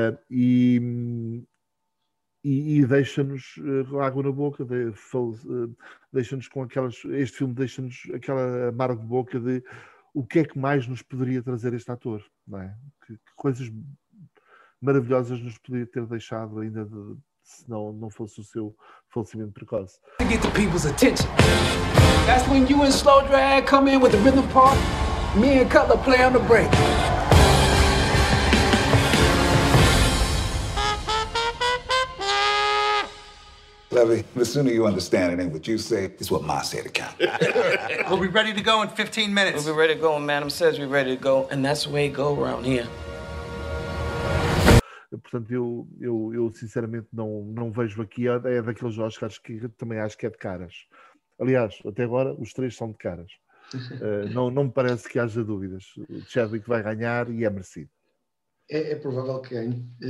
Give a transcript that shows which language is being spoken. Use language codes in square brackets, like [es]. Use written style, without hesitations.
[pt] E deixa-nos água na boca, deixa-nos com aquelas... Este filme deixa-nos aquela amargo de boca de o que é que mais nos poderia trazer este ator, não é? Que coisas maravilhosas nos poderia ter deixado ainda se não fosse o seu falecimento precoce. [en] To get the people's attention. That's when you and Slow Drag come in with the rhythm part. Me and Cutler play on the break. Let's Levy, the sooner you understand it ain't what you say, it's what Ma say to count. We'll be ready to go in 15 minutes. We'll be ready to go, madam says we're ready to go, and that's the way it go around here. [pt] Portanto, eu sinceramente não vejo aqui, é daqueles Oscars que também acho que é de caras. Aliás, até agora, os três são de caras. Não me parece que haja dúvidas. O Chadwick vai ganhar e é merecido. É provável que ganhe.